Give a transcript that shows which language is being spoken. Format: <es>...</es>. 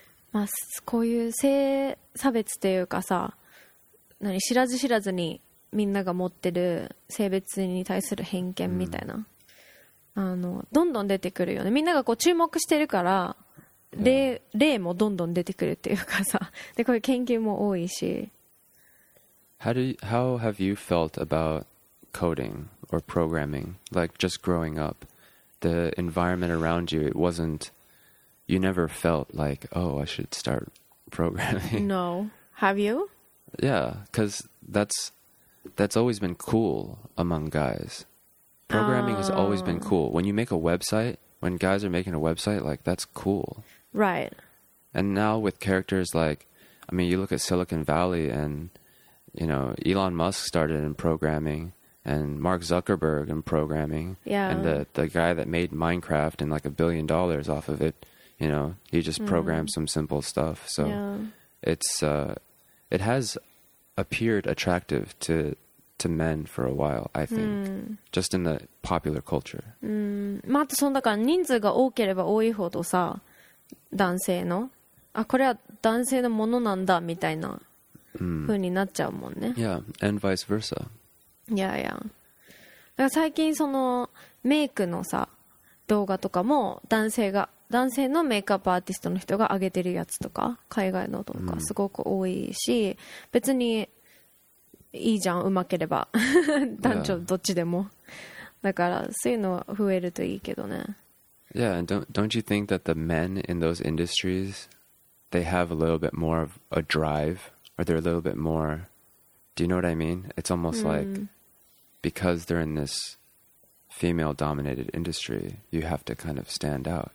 <ja>まあこういう性差別というかさ、何知らず知らずにみんなが持ってる性別に対する偏見みたいな、あのどんどん出てくるよね。みんながこう注目してるから例もどんどん出てくるっていうかさ、でこういう研究も多いし。</ja> <en>How have you felt about coding or programming? Like just growing up, the environment around you, it wasn't, you never felt like, oh, I should start programming. No. Have you? Yeah, because that's always been cool among guys. Programming has always been cool. When you make a website, when guys are making a website, like that's cool. Right. And now with characters like, I mean, you look at Silicon Valley and... You know, Elon Musk started in programming and Mark Zuckerberg in programming. Yeah. And the guy that made Minecraft and like $1 billion off of it, you know, he just programmed some simple stuff. So yeah. It has appeared attractive to men for a while, I think,just in the popular culture.</en> <ja>まあ、そんだから人数が多ければ多いほどさ、男性の、あ、これは男性のものなんだみたいな。風になっちゃうもんね。</ja> <en>Yeah, and vice versa. Yeah, yeah.</en> <ja>だから最近そのメイクのさ動画とかも男性のメイクアップアーティストの人が上げてるやつとか海外のとかすごく多いし、別にいいじゃん、上手ければ男女どっちでも、だからそういうのは増えるといいけどね。</ja> <en>Yeah, and don't you think that the men in those industries they have a little bit more of a driveOr they're a little bit more, do you know what I mean? It's almost like because they're in this female dominated industry, you have to kind of stand out.</en>